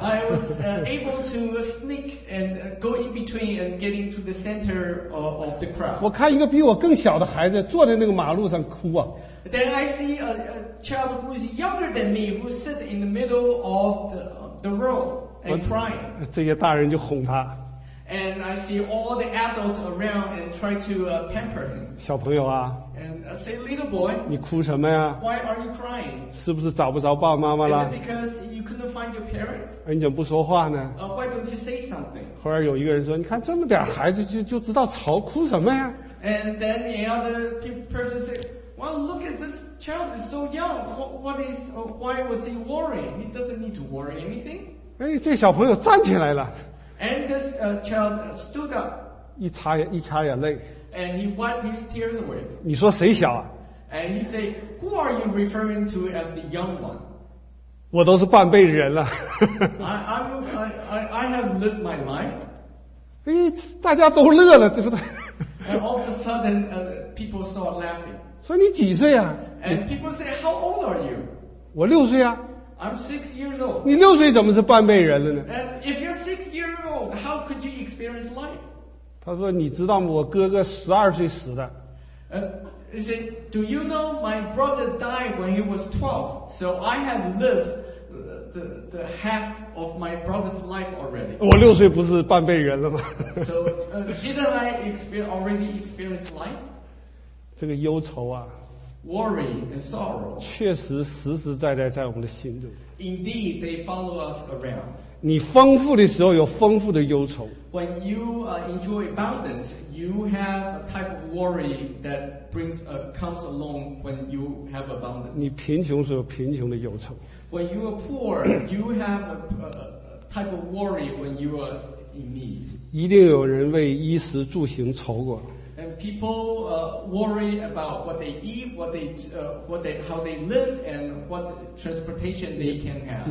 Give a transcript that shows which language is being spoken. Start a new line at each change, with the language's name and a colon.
English: I was able to sneak and go in between and get into the center of the crowd.
Chinese: 我看一个比我更小的孩子坐在那个马路上哭啊。
English: Then I see a child who is younger than me who sit in the middle of the, the road and crying.
Chinese: 这些大人就哄他。
English: And I see all the adults around and try to pamper him.
Chinese: 小朋友啊。
English: And I say, little boy,
Chinese: 你哭什么呀？
English: Why are you crying?
Chinese: 是不是找不着爸爸妈妈了？
English: Is it because you couldn't find your parents?
Chinese: 哎，你怎么不说话呢？
English: Why don't you say something?
Chinese: 后来有一个人说，你看这么点孩子就知道吵，哭什么呀？
English: And then the other person said,Well, look at this child. He's so young. Why was he worrying? He doesn't need to worry anything.
Chinese: 哎，这小朋友站起来了。
English: And this child stood up.
Chinese: 一擦眼泪。
English: And he wiped his tears away.
Chinese: 你说谁小啊？
English: And he said, "Who are you referring to as the young one?"
Chinese: 我都是半辈子人了。
English: I have lived my life.
Chinese: 哎，大家都乐了，对不对？
English: And all of a sudden, people start laughing.
Chinese: 说你几岁啊
English: ？And people say, "How old are you?"
Chinese: 我六岁啊。
English: I'm 6 years old.
Chinese: 你六岁怎么是半辈人了呢
English: ？And if you're 6 years old, how could you experience life?
Chinese: 他说：“你知道吗？我哥哥12岁死的。
English: ”He said, "Do you know my brother died when he was 12? So I have lived the half of my brother's life already."
Chinese: 我六岁不是半辈人了吗
English: ？So didn't I already experience life?
Chinese: 这个忧愁啊
English: ，worry and sorrow，
Chinese: 确实实实在在在我们的心中。
English: Indeed, they follow us around.
Chinese: 你丰富的时候有丰富的忧愁。
English: When you enjoy abundance, you have a type of worry that brings comes along when you have abundance.
Chinese: 你贫穷时有贫穷的忧愁。
English: When you are poor, you have a type of worry when you are in need.
Chinese: 一定有人为衣食住行愁过。
English: And people worry about what they eat, how they live, and what transportation they can have.